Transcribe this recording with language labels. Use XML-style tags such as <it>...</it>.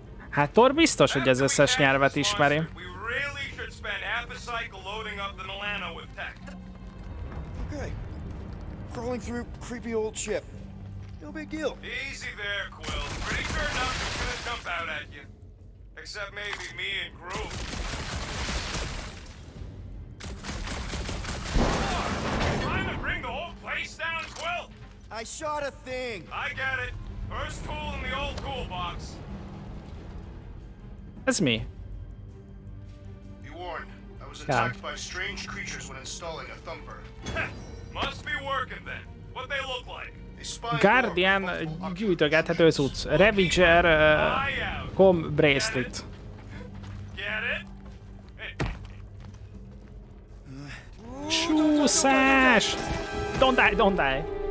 <hu>Hát Thor biztos, hogy ez összes nyelvet ismeri.</hu> <en>We really should spend half a cycle loading up the Milano with tech. Okay. Crawling through creepy old ship. No big deal. Easy there, Quill. Pretty sure nothing's gonna jump out at you. Except maybe me and Groot. Trying to bring the whole place down, Quill? I shot a thing. I get it. First tool in the old toolbox. That's me. Be warned. I was attacked by strange creatures when installing a thumper. Must be working then. What they look like?</en> <hu>Guardian gyűjtögethető cucc.</hu> <en>Ravager com bracelet. Get it? Csúszás! Don't die!</en>